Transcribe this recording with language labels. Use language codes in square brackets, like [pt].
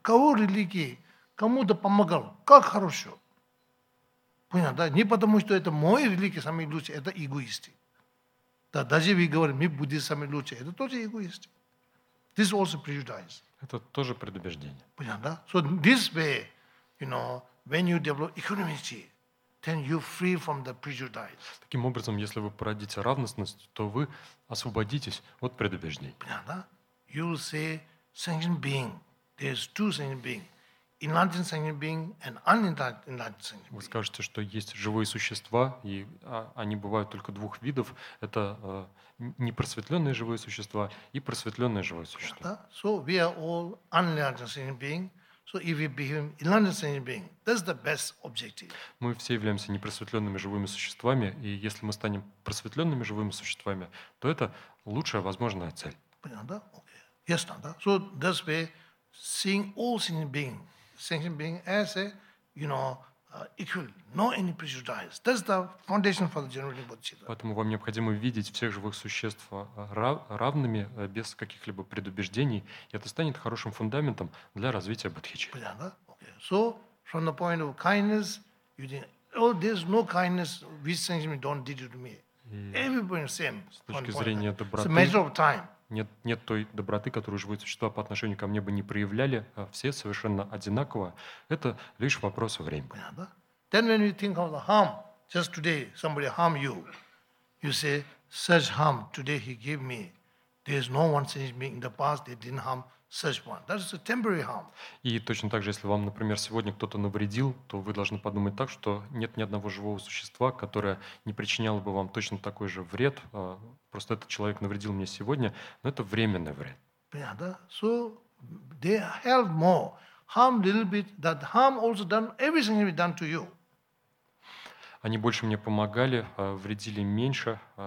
[ru] Кого религии, кому-то помогал, как хорошо. Понятно, да? Не потому, что это мои религии самые лучшие, это эгоисты. Да, даже вы говорите, мы буддистами лучше, это тоже эгоисты. [en] This also prejudice. [ru] Это тоже предубеждение. Понятно, да? [en] So this way, you know, when you develop equanimity, then you free from the prejudice. [ru] Таким образом, если вы породите равностность, то вы освободитесь от предубеждений. Понятно, да? [en] You will say, sentient being, there's two sentient beings. Enlightened sentient being and unenlightened sentient being. [ru] Вы скажете, что есть живые существа, и они бывают только двух видов. Это непросветленные живые существа и просветленные живые существа. [en] So we are all unenlightened sentient being. So if we become enlightened sentient being, that's the best objective. [ru] Мы все являемся непросветленными живыми существами, и если мы станем просветленными живыми существами, то это лучшая возможная цель. Понятно, да? [en] Okay. [ru] Ясно, да? [en] So that's where seeing all sentient being. Sentient being as a, you know, equal, no any prejudice. That's the foundation for the general bodhicitta. [ru] Поэтому вам необходимо видеть всех живых существ равными без каких-либо предубеждений. И это станет хорошим фундаментом для развития бодхичитты. Понятно? Okay. [en] So from the point of kindness, you think, oh, there's no kindness which sentient being don't did to me. Everybody same. [ru] С точки зрения доброты. [en] It's a measure of time. [ru] Нет той доброты, которую живые существа по отношению ко мне бы не проявляли, а все совершенно одинаково. Это лишь вопрос времени. Понятно? [en] Then when you think of the harm, just today somebody harm you, you say, such harm today he gave me. There is no one since me in the past they didn't harm such one. That is a temporary harm. [ru] И точно так же, если вам, например, сегодня кто-то навредил, то вы должны подумать так, что нет ни одного живого существа, которое не причиняло бы вам точно такой же вред. Просто этот человек навредил мне сегодня, но это временный вред. Понятно, да? [en] So they have more harm, little bit that harm also done everything we done to you. [ru] Они больше мне помогали, вредили меньше.